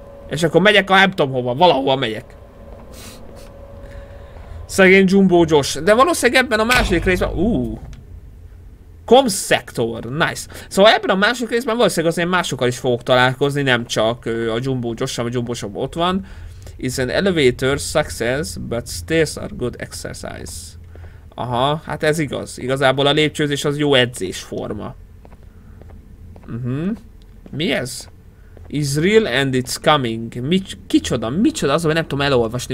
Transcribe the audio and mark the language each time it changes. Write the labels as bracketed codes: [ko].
[hu] És akkor megyek a nem tudom hova. Valahova megyek. Szegény Jumbo Josh. De valószínűleg ebben a második részben... [en] Comsector, nice. [hu] Szóval ebben a másik részben valószínűleg azért másokkal is fogok találkozni, nem csak a Jumbo Joshom, a Jumbo Shop ott van. [en] It's an elevator success, but stairs are good exercise. [hu] Aha, hát ez igaz. Igazából a lépcsőzés az jó edzésforma. Mi ez? [en] Is real and it's coming. [hu] Kicsoda az, hogy nem tudom elolvasni.